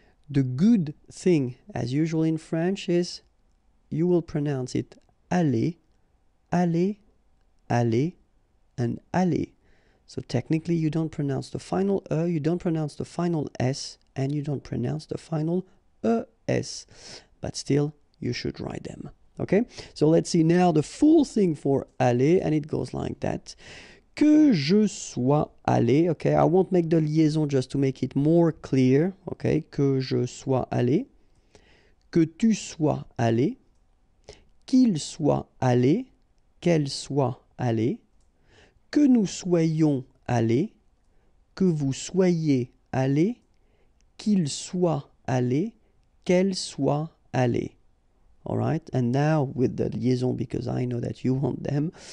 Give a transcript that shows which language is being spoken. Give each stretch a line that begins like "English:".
English: The good thing, as usual in French, is you will pronounce it aller, aller, aller, and aller. So technically you don't pronounce the final e, you don't pronounce the final s, and you don't pronounce the final es. But still, you should write them. Okay, so let's see now the full thing for aller, and it goes like that.
French: Que je sois allé,
English: okay, I won't make the liaison just to make it more clear, okay,
French: que je sois allé, que tu sois allé, qu'il soit allé, qu'elle soit allée, que nous soyons allés, que vous soyez allés, qu'il soit allé, qu'elle soit allée.
English: Alright, and now with the liaison, because I know that you want them.